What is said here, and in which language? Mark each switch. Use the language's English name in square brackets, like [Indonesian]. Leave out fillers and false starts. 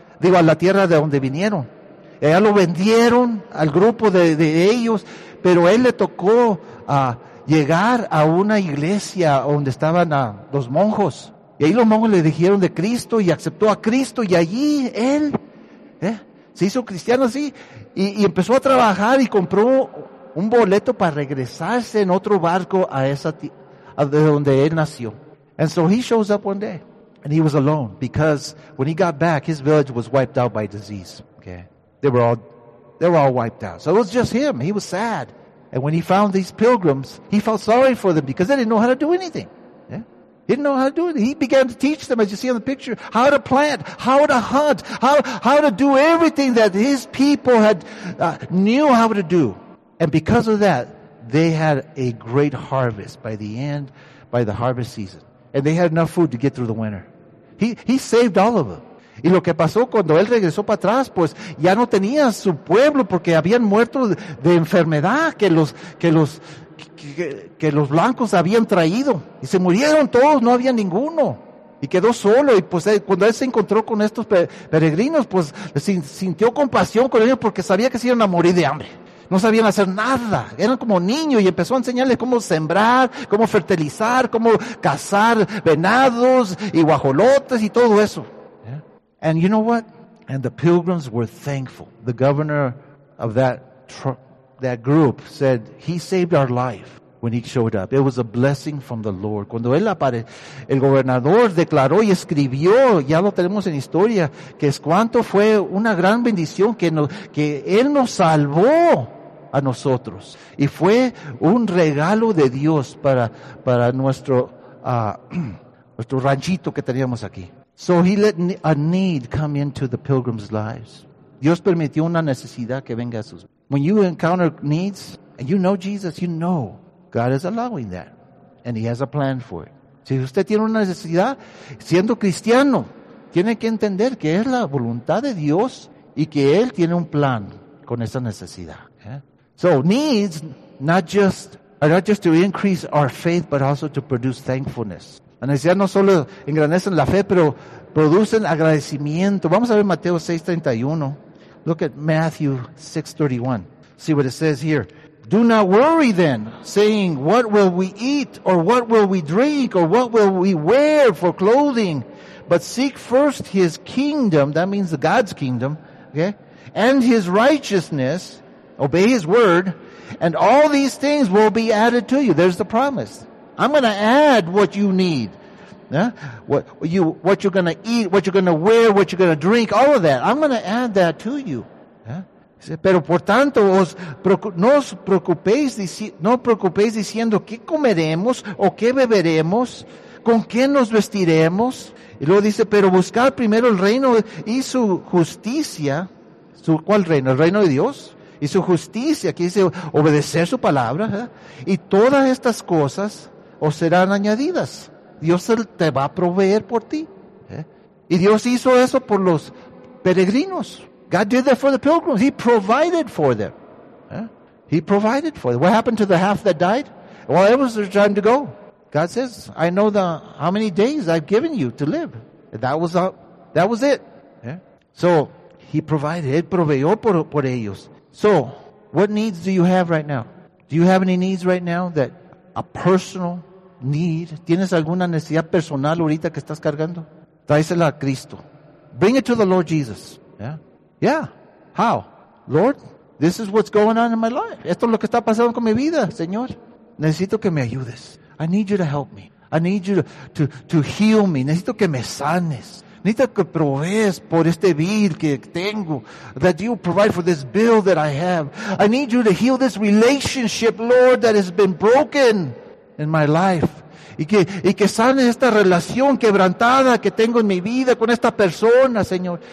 [Spanish] Digo, a la tierra de donde vinieron. Allá lo vendieron al grupo de ellos, pero él le tocó llegar a una iglesia donde estaban los monjos. Y ahí los monjos le dijeron de Cristo y aceptó a Cristo y allí él se hizo cristiano así y empezó a trabajar y compró un boleto para regresarse en otro barco a esa de donde él nació. [English] And so he shows up one day and he was alone because when he got back his village was wiped out by disease. Okay, they were all wiped out. So it was just him. He was sad. And when he found these pilgrims, he felt sorry for them because they didn't know how to do anything. He didn't know how to do it. He began to teach them, as you see on the picture, how to plant, how to hunt, how to do everything that his people had knew how to do. And because of that, they had a great harvest by the end, by the harvest season. And they had enough food to get through the winter. He saved all of them. [Spanish] Y lo que pasó cuando él regresó para atrás, pues ya no tenía su pueblo porque habían muerto de enfermedad que los blancos habían traído. Y se murieron todos, no había ninguno. Y quedó solo. Y pues cuando él se encontró con estos peregrinos, pues sintió compasión con ellos porque sabía que se iban a morir de hambre. No sabían hacer nada. Eran como niños y empezó a enseñarles cómo sembrar, cómo fertilizar, cómo cazar venados y guajolotes y todo eso. [English] And you know what? And the pilgrims were thankful. The governor of that group said, he saved our life when he showed up. It was a blessing from the Lord. [Spanish] Cuando él apareció, el gobernador declaró y escribió, ya lo tenemos en historia, que es cuánto fue una gran bendición que él nos salvó a nosotros. Y fue un regalo de Dios para nuestro ranchito que teníamos aquí. [English] So he let a need come into the pilgrims' lives. [Spanish] Dios permitió una necesidad que venga a sus vidas. [English] When you encounter needs, and you know Jesus, you know God is allowing that. And he has a plan for it. [Spanish] Si usted tiene una necesidad, siendo cristiano, tiene que entender que es la voluntad de Dios y que él tiene un plan con esa necesidad. [English] Yeah? So needs are not just to increase our faith, but also to produce thankfulness. [Spanish] La necesidad no solo engrandece la fe, pero producen agradecimiento. Vamos a ver Mateo 6:31. [English] Look at Matthew 6:31. See what it says here. Do not worry then, saying, what will we eat, or what will we drink, or what will we wear for clothing? But seek first his kingdom, that means God's kingdom, okay? And his righteousness, Obey His word, and all these things will be added to you. There's the promise. I'm going to add what you need. Yeah? What you're going to eat, what you're going to wear, what you're going to drink, all of that. I'm going to add that to you. [Spanish] Pero por tanto, no os preocupéis diciendo qué comeremos o qué beberemos, con qué nos vestiremos. Y luego dice, pero buscar primero el reino y su justicia. ¿Cuál reino? El reino de Dios. Y su justicia, que dice obedecer su palabra. Y todas estas cosas os serán añadidas. Dios te va a proveer por ti. Y Dios hizo eso por los peregrinos. [English] God did that for the pilgrims. He provided for them. He provided for them. What happened to the half that died? Well, it was their time to go. God says, I know how many days I've given you to live. That was it. Yeah? So, He provided. [Spanish] Él proveyó por ellos. [English] So, what needs do you have right now? Do you have any needs right now that a personal need? [Spanish] ¿Tienes alguna necesidad personal ahorita que estás cargando? Tráesela a Cristo. [English] Bring it to the Lord Jesus. Yeah? Yeah, how? Lord, this is what's going on in my life. [Spanish] Esto es lo que está pasando con mi vida, Señor. Necesito que me ayudes. [English] I need you to help me. I need you to heal me. [Spanish] Necesito que me sanes. Necesito que provees por este bill que tengo. [English] That you provide for this bill that I have. I need you to heal this relationship, Lord, that has been broken in my life. [Spanish] Y que sanes esta relación quebrantada que tengo en mi vida con esta persona, Señor.